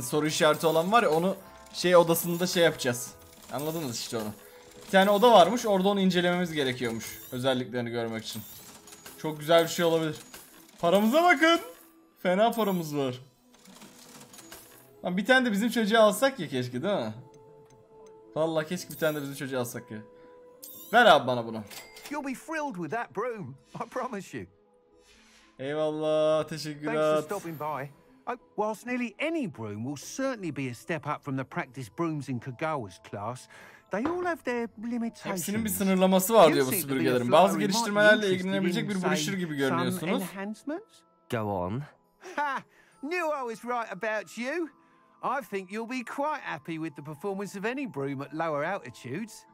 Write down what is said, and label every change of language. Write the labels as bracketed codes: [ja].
[tr] Soru işareti olan var ya, onu şey odasında şey yapacağız. Anladınız işte onu. Bir tane oda varmış. Orada onu incelememiz gerekiyormuş. Özelliklerini görmek için. Çok güzel bir şey olabilir. Paramıza bakın. Fena paramız var. Lan bir tane de bizim çocuğa alsak ya keşke, değil mi? Vallahi keşke bir tane de bizim çocuğa alsak ya. Ver abi bana bunu. [en] You'll be thrilled with that broom. I promise you. [tr] Eyvallah, teşekkürler. [en] Whilst nearly any broom will certainly be a step up from the practice brooms in Kagawa's class, they all have their limitations. [tr] Hepsinin bir sınırlaması var diyor bu süpürgelerin. Bazı geliştirmelerle ilgilenebilecek bir broşür gibi görünüyorsunuz. [en] Go on. Knew I was right about you. I think you'll be quite happy with the performance of any broom at lower altitudes.